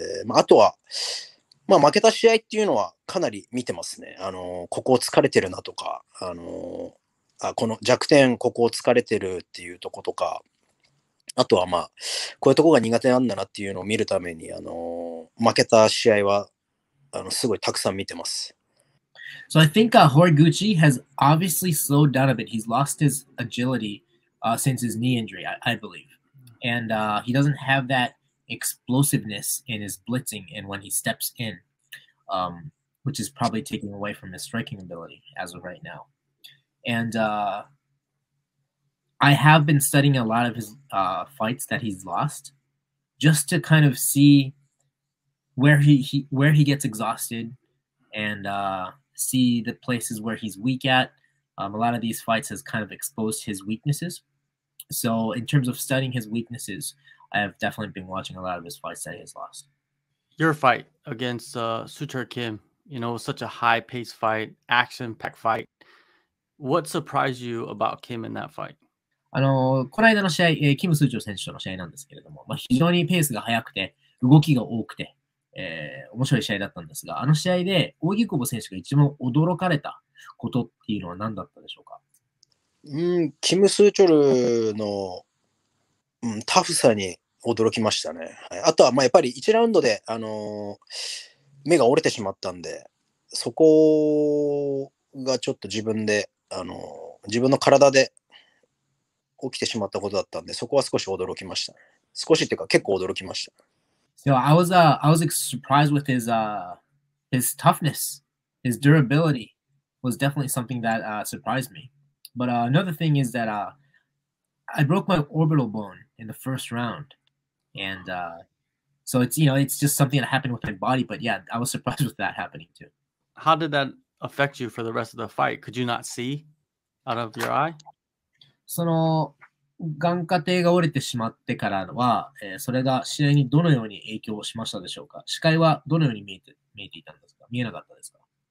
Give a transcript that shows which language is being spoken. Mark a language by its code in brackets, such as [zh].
[ja] あとは、まあ、負けた試合っていうのはかなり見てますね。ここを疲れてるなとか、この弱点ここを疲れてるっていうとことか、あとはまあこういうとこが苦手なんだなっていうのを見るために負けた試合はすごいたくさん見てます。 [en] So I think Horiguchi has obviously slowed down a bit. He's lost his agility since his knee injury, I believe. And he doesn't have that explosiveness in his blitzing and when he steps in, which is probably taking away from his striking ability as of right now. And I have been studying a lot of his fights that he's lost just to kind of see where he gets exhausted and see the places where he's weak at. A lot of these fights has kind of exposed his weaknesses. So in terms of studying his weaknesses, I have definitely been watching a lot of his fights that he's lost. Your fight against Suter Kim, you know, such a high-paced fight, action-packed fight. What surprised you about Kim in that fight? [ja] この間の試合、キム・スーチョ選手との試合なんですけれども、まあ、非常にペースが速くて、動きが多くて、面白い試合だったんですが、あの試合で、扇久保選手が一番驚かれたことっていうのは何だったでしょうか？キム・スーチョルの、タフさに驚きましたね。あとは、やっぱり1ラウンドで、目が折れてしまったんで、そこがちょっと自分で、自分の体で起きてしまったことだったんで、そこは少し驚きました。少しっていうか、結構驚きました。 [en] So I was surprised with his toughness. His durability was definitely something that surprised me. But another thing is that I broke my orbital bone in the first round. And so it's just something that happened with my body. But yeah, I was surprised with that happening too. How did that affect you for the rest of the fight? Could you not see out of your eye? [ja] その眼窩底が折れてしまってからは、それが試合にどのように影響しましたでしょうか？視界はどのように見えていたんですか？見えなかったですか？